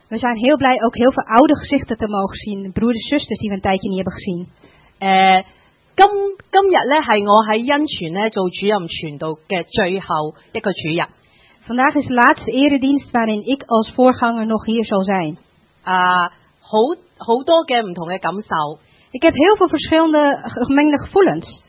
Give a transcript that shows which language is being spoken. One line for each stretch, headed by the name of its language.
Dutch: We zijn heel blij ook heel veel oude gezichten te mogen zien, broeders, zusters die we een tijdje niet hebben gezien.
Cantonese: 今日咧系我喺恩泉咧做主任传道嘅最后一个主日。
Dutch: Vandaag is de laatste eredienst waarin ik als voorganger nog hier zal zijn. Heel veel verschillende gevoelens. Ik heb heel veel verschillende gemengde gevoelens.